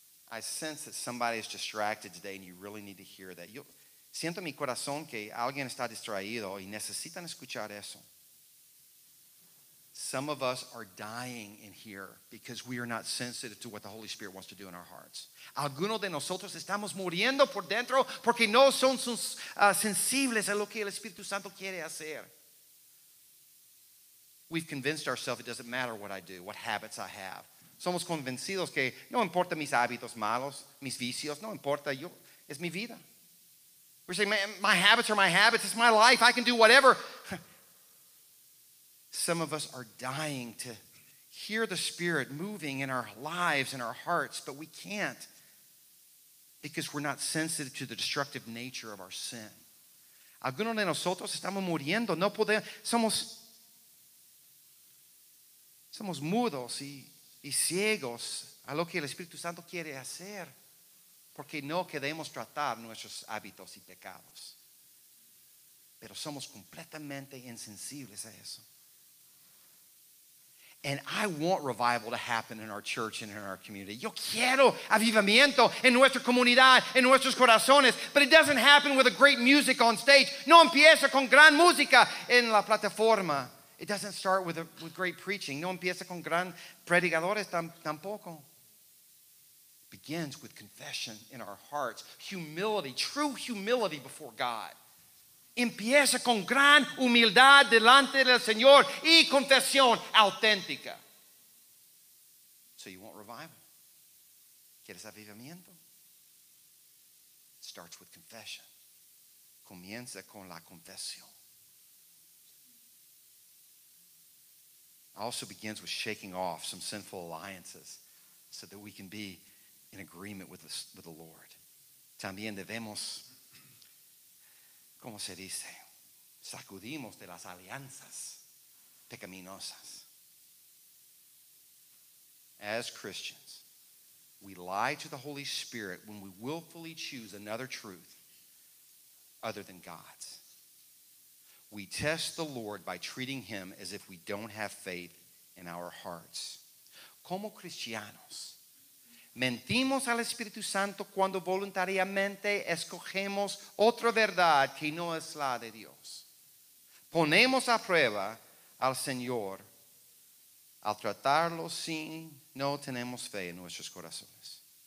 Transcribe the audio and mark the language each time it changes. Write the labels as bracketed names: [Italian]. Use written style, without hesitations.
[English] I sense that somebody is distracted today and you really need to hear that. Yo [Spanish] siento en mi corazón que alguien está distraído y necesitan escuchar eso. [English] Some of us are dying in here because we are not sensitive to what the Holy Spirit wants to do in our hearts. [Spanish] Algunos de nosotros estamos muriendo por dentro porque no son sensibles a lo que el Espíritu Santo quiere hacer. [English] We've convinced ourselves it doesn't matter what I do, what habits I have. [Spanish] Somos convencidos que no importa mis hábitos malos, mis vicios, no importa, yo, es mi vida. [English] We're saying, my habits are my habits, it's my life, I can do whatever. Some of us are dying to hear the Spirit moving in our lives and our hearts, but we can't because we're not sensitive to the destructive nature of our sin. [Spanish] Algunos de nosotros estamos muriendo. No podemos. Somos mudos y ciegos a lo que el Espíritu Santo quiere hacer porque no queremos tratar nuestros hábitos y pecados. Pero somos completamente insensibles a eso. [English] And I want revival to happen in our church and in our community. [Spanish] Yo quiero avivamiento en nuestra comunidad, en nuestros corazones. [English] But it doesn't happen with a great music on stage. [Spanish] No empieza con gran música en la plataforma. [English] It doesn't start with great preaching. [Spanish] No empieza con gran predicadores tampoco. [English] begins with confession in our hearts, humility, true humility before God. [Spanish] Empieza con gran humildad delante del Señor y confesión auténtica. [English] So you want revival? [Spanish] ¿Quieres avivamiento? [English] Starts with confession. [Spanish] Comienza con la confesión. [English] Also begins with shaking off some sinful alliances so that we can be in agreement with the Lord. [Spanish] También debemos, ¿cómo se dice? Sacudimos de las alianzas pecaminosas. [English] As Christians, we lie to the Holy Spirit when we willfully choose another truth other than God's. We test the Lord by treating him as if we don't have faith in our hearts. [Spanish] Como cristianos, mentimos al Espíritu Santo cuando voluntariamente escogemos otra verdad que no es la de Dios. Ponemos a prueba al Señor al tratarlo si no tenemos fe en nuestros corazones.